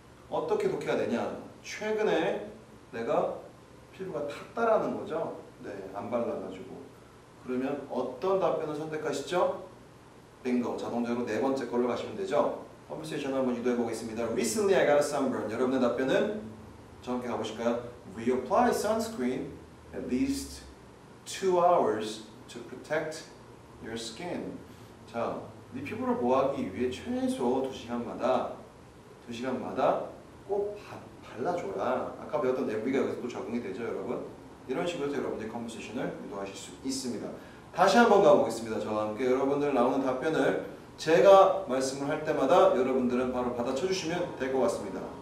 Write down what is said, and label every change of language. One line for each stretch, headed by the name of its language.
Korean: 어떻게 독해야 되냐? 최근에 내가 피부가 탔다라는 거죠? 네, 안 발라가지고. 그러면 어떤 답변을 선택하시죠?
English: Bingo.
Korean: 자동적으로 네 번째 걸로 가시면 되죠? 컨버세이션 한번 유도해 보겠습니다.
English: Recently, I got a sunburn.
Korean: 여러분의 답변은? 저 함께 가보실까요?
English: Reapply sunscreen at least 2 hours to protect your skin.
Korean: 자, 네 피부를 보호하기 위해 최소 2시간마다 꼭 발라줘야 아까 배웠던 MV가 여기서도 적용이 되죠, 여러분? 이런 식으로 해서 여러분들의 컨버세이션을 유도하실 수 있습니다. 다시 한번 가보겠습니다. 저와 함께 여러분들 나오는 답변을 제가 말씀을 할 때마다 여러분들은 바로 받아쳐주시면 될 것 같습니다.